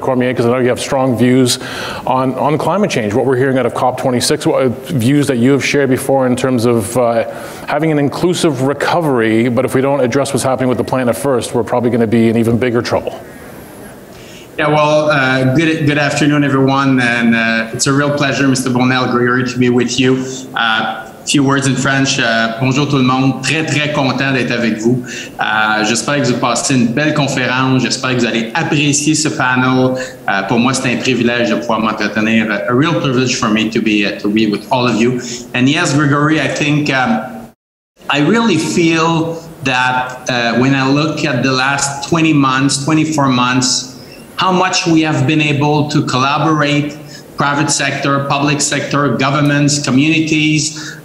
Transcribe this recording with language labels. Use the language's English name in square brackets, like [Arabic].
[English] Cormier, because I know you have strong views on climate change, what we're hearing out of COP26, what views that you have shared before in terms of having an inclusive recovery, but if we don't address what's happening with the planet first, we're probably going to be in even bigger trouble. Yeah, well, good afternoon, everyone. And it's a real pleasure, Mr. Bonnel, Gregory, to be with you. A few words in French. [French] Bonjour tout le monde. Très, très content d'être avec vous. J'espère que vous passez une belle conférence. J'espère que vous allez apprécier ce panel. Pour moi, c'est un privilège de pouvoir m'entretenir. [English] A real privilege for me to be with all of you. And yes, Gregory, I think I really feel that when I look at the last 20 months, 24 months, how much we have been able to collaborate, private sector, public sector, governments, communities.